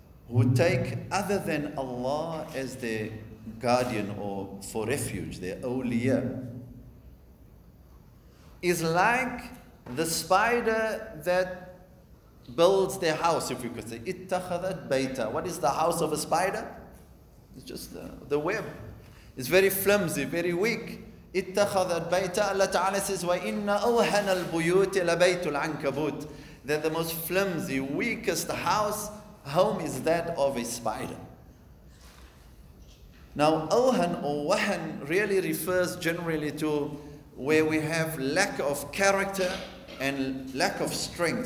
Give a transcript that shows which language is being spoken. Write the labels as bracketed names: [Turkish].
[English] who take other than Allah as their guardian or for refuge, their awliya, is like the spider that builds their house, if you could say. [Arabic] اتخذت بيتا. [English] What is the house of a spider? It's just the web. It's very flimsy, very weak. [Arabic] اتخذت بيتا. [English] Allah Ta'ala says, [Arabic] وَإِنَّ أَوْهَنَ الْبُيُوتِ لَبَيْتُ الْعَنْكَبُوتِ. [English] That the most flimsy, weakest house, home is that of a spider. Now, أَوْهَن or وَهَن really refers generally to where we have lack of character and lack of strength.